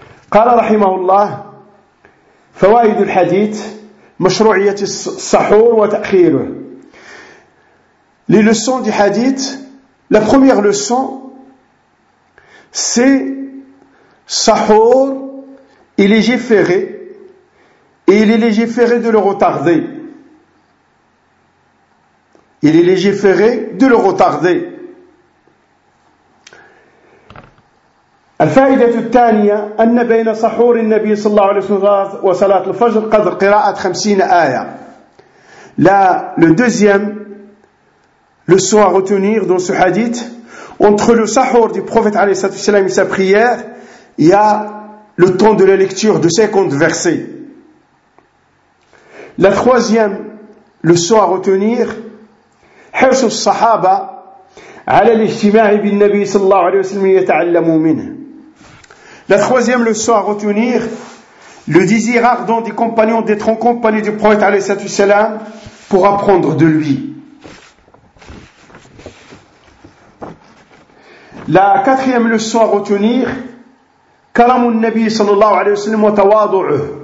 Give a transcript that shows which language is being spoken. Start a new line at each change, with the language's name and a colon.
Arabic: قال رحمه الله فوائد الحديث مشروعية السحور وتأخيره.
French: Les leçons du hadith, la première leçon, c'est sahur, il est légiféré, et il est légiféré de le retarder. Il est légiféré de le retarder.
Arabic: الفائدة الثانية أن بين سحور النبي صلى الله عليه وسلم وصلاة الفجر قدر قراءة 50 آية.
French: La, le deuxième leçon à retenir dans ce hadith, entre le sahur du prophète alayhi salatu wasalam et sa prière, il y a le temps de la lecture de 50 versets. La troisième leçon à retenir,
Arabic: حرص الصحابة على الاجتماع بالنبي صلى الله عليه وسلم يتعلموا منه.
French: La troisième leçon à retenir, le désir ardent des compagnons d'être en compagnie du prophète alayhi salatu wasalam pour apprendre de lui. La quatrième leçon à retenir,
Arabic: karamun nabi sallallahu alayhi wa sallam wa tawadu'u.